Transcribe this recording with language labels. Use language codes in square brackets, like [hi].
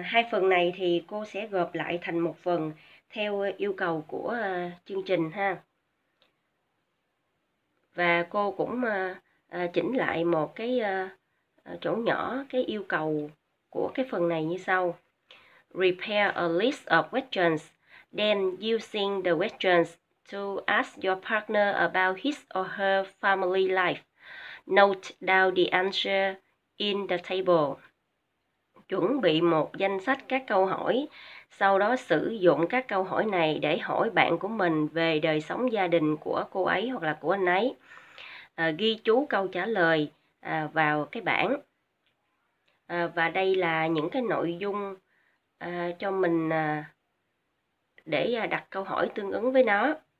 [vi] Hai phần này thì cô sẽ gộp lại thành một phần theo yêu cầu của chương trình ha. Và cô cũng chỉnh lại một cái chỗ nhỏ cái yêu cầu của cái phần này như sau. [en] Prepare a list of questions, then using the questions to ask your partner about his or her family life. Note down the answer in the table. [vi] Chuẩn bị một danh sách các câu hỏi, sau đó sử dụng các câu hỏi này để hỏi bạn của mình về đời sống gia đình của cô ấy hoặc là của anh ấy. Ghi chú câu trả lời vào cái bảng. Và đây là những cái nội dung cho mình để đặt câu hỏi tương ứng với nó.